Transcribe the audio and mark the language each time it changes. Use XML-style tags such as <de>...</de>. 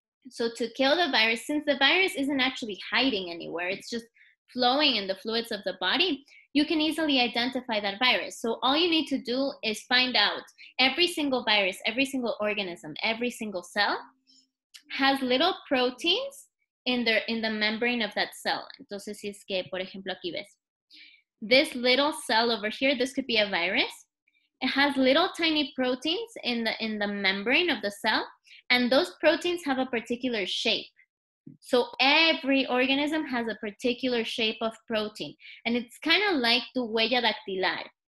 <en>So to kill the virus, since the virus isn't actually hiding anywhere, it's just flowing in the fluids of the body, you can easily identify that virus. So all you need to do is find out every single virus, every single organism, every single cell has little proteins in the membrane of that cell.</en> <es>Entonces, si es que, por ejemplo, aquí ves.</es> <en>This little cell over here, this could be a virus. It has little tiny proteins in the membrane of the cell, and those proteins have a particular shape. So every organism has a particular shape of protein, and it's kind of like</en> <es>tu huella dactilar.</es>